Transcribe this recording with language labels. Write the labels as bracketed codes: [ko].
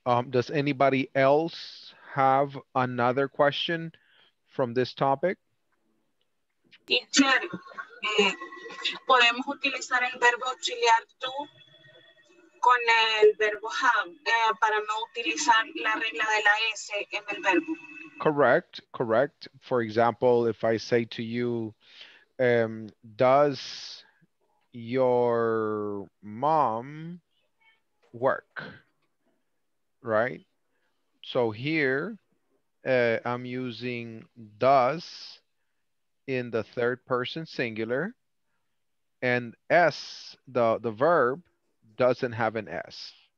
[en] Does anybody else have another question from this topic? [es] Teacher, podemos utilizar el verbo auxiliar to con el verbo have, para no utilizar la regla de la S en el verbo. [en] Correct. For example, if I say to you, does your mom work? Right? So here, I'm using does in the third person singular, and S, the verb, doesn't have an S.